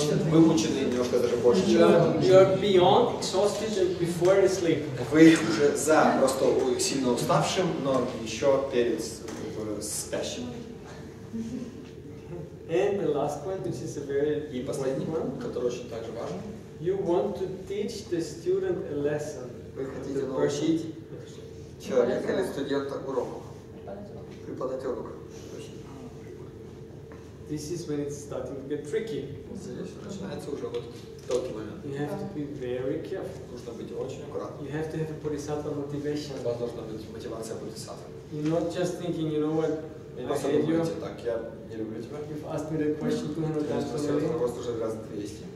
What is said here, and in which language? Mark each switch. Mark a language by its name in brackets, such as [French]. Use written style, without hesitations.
[Russian] Вымученный немножко даже больше, чем [English] you're beyond exhausted before you sleep. [Russian] Вы уже за просто сильно уставшим, но еще перед спящим. [English] And the last point, which is a very [Russian] и последний момент, который очень также важен. [English] You want to teach the student a lesson. [Russian] Вы хотите научить человека или студента урок? Преподать урок. [English] This is when it's starting to get tricky. [Russian] Начинается уже вот тонкий момент. [English] You have to be very careful. [Russian] Нужно быть очень аккуратным. [English] You have to have a bodhisattva motivation. [Russian] У вас должна быть мотивация бодхисаттвы. [English] You're not just thinking, you know what? [Russian] Я не просто думаете, так я не люблю тебя. [English] You've asked me that question 200 times. [Russian] Я спросил этот вопрос уже раз 200.